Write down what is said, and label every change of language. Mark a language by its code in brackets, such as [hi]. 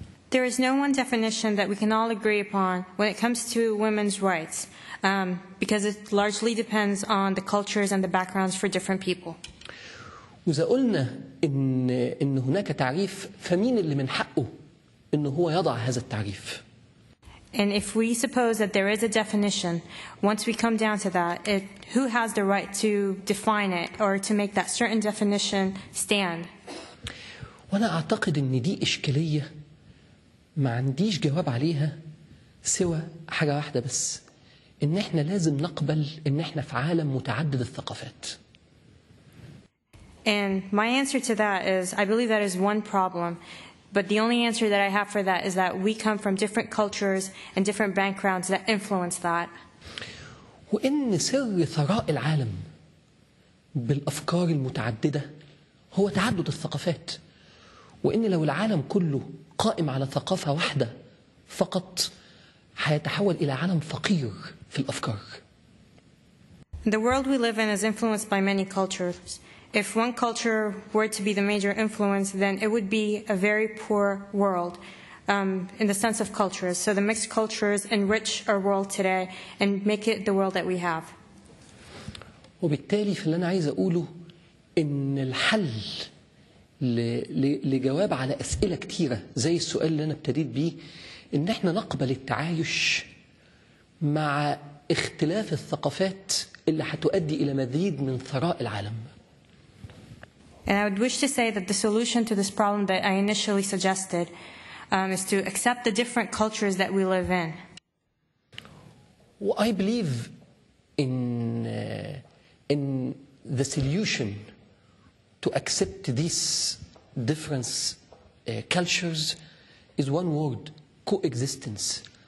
[en] There is no one definition that we can all agree upon when it comes to women's rights, because it largely depends on the cultures and the backgrounds for different people. [ar] وإذا قلنا إن هناك تعريف، فمين اللي من حقه إن هو يضع هذا التعريف؟ [en] And if we suppose that there is a definition, once we come down to that, who has the right to define it or to make that certain definition stand? [ar] وأنا أعتقد إن دي إشكالية ما عنديش جواب عليها سوى حاجة واحدة بس، إن إحنا لازم نقبل إن إحنا في عالم متعدد الثقافات. [en] And my answer to that is, I believe that is one problem. But the only answer that I have for that is that we come from different cultures and different backgrounds that influence that. [ar] وإن سر ثراء العالم بالأفكار المتعددة هو تعدد الثقافات. وإن لو العالم كله قائم على ثقافة واحدة فقط هيتحول إلى عالم فقير في الأفكار. [en] The world we live in is influenced by many cultures. If one culture were to be the major influence, then it would be a very poor world in the sense of cultures. So the mixed cultures enrich our world today and make it the world that we have. [ar] وبالتالي فاللي أنا عايز أقوله إن الحل لجواب على أسئلة كتيرة زي السؤال اللي أنا ابتديت بيه إن إحنا نقبل التعايش مع اختلاف الثقافات اللي هتؤدي إلى مزيد من ثراء العالم. [en] And I would wish to say that the solution to this problem that I initially suggested is to accept the different cultures that we live in. Well, I believe in the solution to accept these different cultures is one word, coexistence.